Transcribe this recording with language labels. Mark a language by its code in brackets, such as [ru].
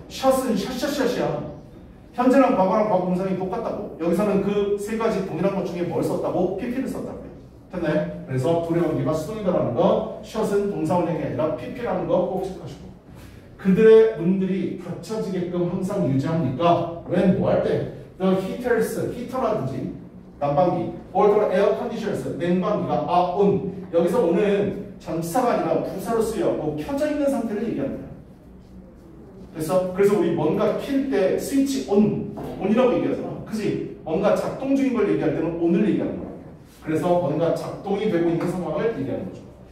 [ko] 샷은 샷샷샷이야. 현재랑 과거랑 과거 동사형이 똑같다고. 여기서는 그 세 가지 동일한 것 중에 뭘 썼다고? PP를 썼다고요. 됐나요? 그래서 둘의 관계가 수동이다라는 거, 샷은 동사원형이 아니라 PP라는 거 꼭 기억하시고. 그들의 문들이 닫혀지게끔 항상 유지합니까? 웬 뭐 할 때? [en] The heaters, [ko] 히터라든지 난방기, [en] or the air conditioners, [ko] 냉방기가 [en] are on. [ko] 여기서 on은 전치사가 아니라 부사로 쓰여고 켜져 있는 상태를 얘기합니다. 그래서 우리 뭔가 킬 때 스위치 on, on이라고 얘기하잖아. 그지? 뭔가 작동 중인 걸 얘기할 때는 on을 얘기하는 거야. 그래서 뭔가 작동이 되고 있는 상황을 얘기하는 거죠.